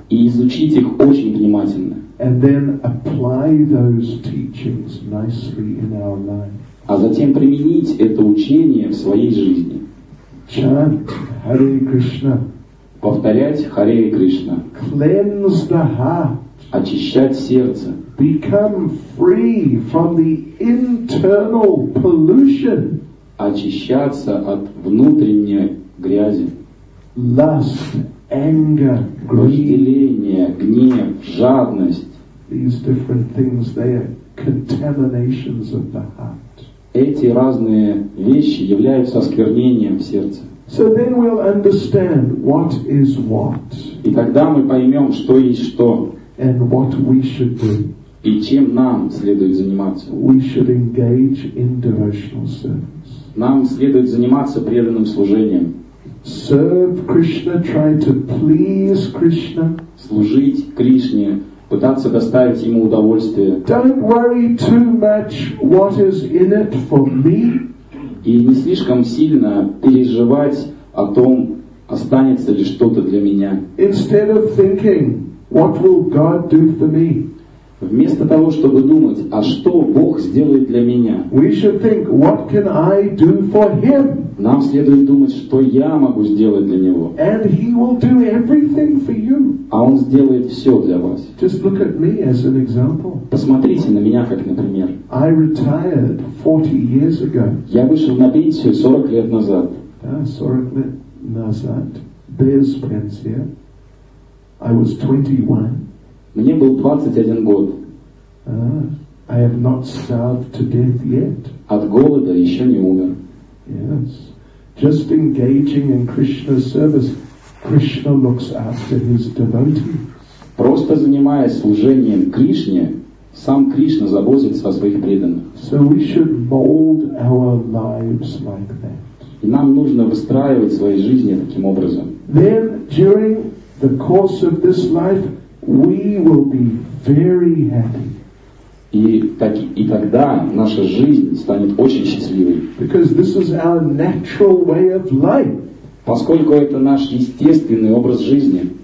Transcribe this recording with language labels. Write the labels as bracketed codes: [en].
[ru] И изучить их очень внимательно. [en] And then apply those teachings nicely in our life. [ru] А затем применить это учение в своей жизни. [en] Chant Hare Krishna. [ru] Повторять Hare Krishna. [en] Cleanse the heart. [ru] Очищать сердце. [en] Become free from the internal pollution. [ru] Очищаться от внутренней грязи. [en] Lust, anger, greed. [ru] Вожделение, гнев, жадность. [en] These different things, they are contaminations of the heart. [ru] Эти разные вещи являются осквернением в сердце. [en] So then we'll understand what is what. [ru] И тогда мы поймем, что есть что. [en] And what we should do. [ru] И чем нам следует заниматься. [en] We should engage in devotional service. [ru] Нам следует заниматься преданным служением. [en] Serve Krishna, try to please Krishna. [ru] Служить Кришне. Пытаться доставить ему удовольствие. [en] Don't worry too much what is in it for me. [ru] И не слишком сильно переживать о том, останется ли что-то для меня. [en] Instead of thinking, what will God do for me? [ru] Вместо того, чтобы думать, а что Бог сделает для меня? [en] We should think, what can I do for him? [ru] Нам следует думать, что я могу сделать для него. [en] And he will do everything for you. [ru] А он сделает все для вас. [en] Just look at me as an example. [ru] Посмотрите на меня как на пример. [en] I retired 40 years ago. [ru] Я вышел на пенсию 40 лет назад. Да, 40 лет назад, без пенсии. [en] I was 21. [ru] Мне был 21 год. [en] I have not starved to death yet. [ru] От голода еще не умер. [en] Yes. Just engaging in Krishna's service, Krishna looks after his devotees. [ru] Просто занимаясь служением Кришне, сам Кришна заботится о своих преданных. [en] So we should mold our lives like that. [ru] И нам нужно выстраивать свои жизни таким образом. [en] Then during the course of this life, we will be very happy. [ru] И тогда наша жизнь станет очень счастливой. [en] Because this is our natural way of life. [ru] Поскольку это наш естественный образ жизни.